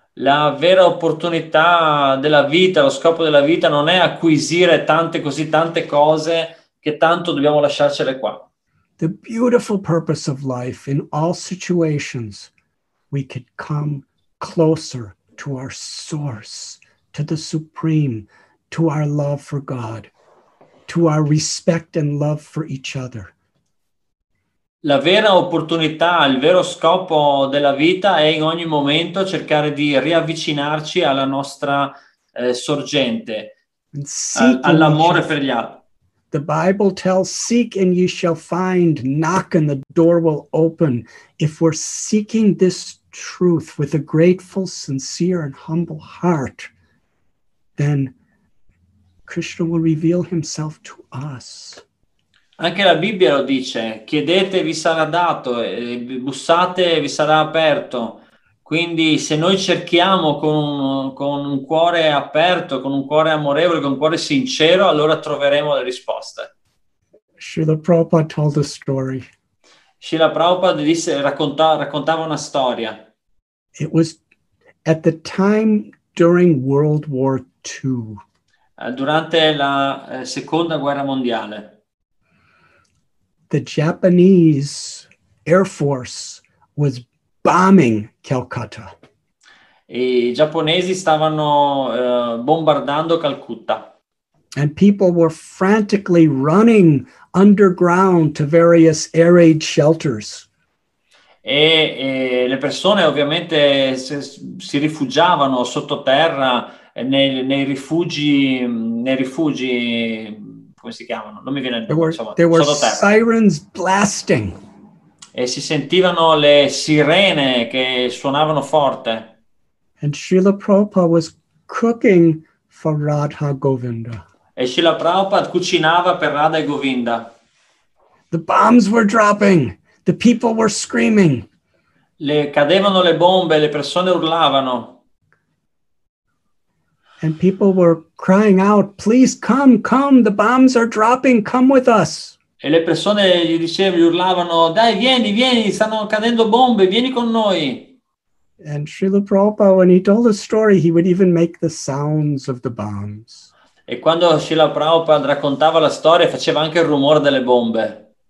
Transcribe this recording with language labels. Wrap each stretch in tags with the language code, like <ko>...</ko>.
<it>La vera opportunità della vita, lo scopo della vita non è acquisire tante cose che tanto dobbiamo lasciarcele qua.</it> <en>The beautiful purpose of life in all situations, we could come closer to our source, to the supreme, to our love for God, to our respect and love for each other.</en> <it>La vera opportunità, il vero scopo della vita è in ogni momento cercare di riavvicinarci alla nostra sorgente, all'amore per gli altri.</it> <en>The Bible tells, seek and ye shall find, knock and the door will open. If we're seeking this truth with a grateful, sincere, and humble heart, then Krishna will reveal himself to us.</en> <it>Anche la Bibbia lo dice, chiedete, vi sarà dato, bussate, vi sarà aperto. Quindi se noi cerchiamo con un cuore aperto, con un cuore amorevole, con un cuore sincero, allora troveremo le risposte.</it> <en>Srila Prabhupada told a story.</en> <it>Srila Prabhupada disse, raccontava una storia.</it> <en>It was at the time during World War II.</en> <it>Durante la Seconda Guerra Mondiale.</it> <en>The Japanese Air Force was bombing Calcutta.</en> <it>I giapponesi stavano bombardando Calcutta.</it> <en>And people were frantically running underground to various air raid shelters.</en> <it>E le persone ovviamente si rifugiavano sottoterra nei rifugi come si chiamano? Non mi viene il nome.</it> <en>There were sirens blasting.</en> <it>E si sentivano le sirene che suonavano forte.</it> <en>And Srila Prabhupada was cooking for Radha Govinda.</en> <it>E Srila Prabhupada cucinava per Radha e Govinda.</it> <en>The bombs were dropping. The people were screaming.</en> <it>Le cadevano le bombe, le persone urlavano.</it> <en>And people were crying out, "Please come, come, the bombs are dropping, come with us."</en> <it>E le persone gli dicevano, gli urlavano, "Dai, vieni, vieni, stanno cadendo bombe, vieni con noi."</it> <en>And Srila Prabhupada, when he told the story, he would even make the sounds of the bombs.</en> <it>E quando Srila Prabhupada raccontava la storia, faceva anche il rumore delle bombe.</it>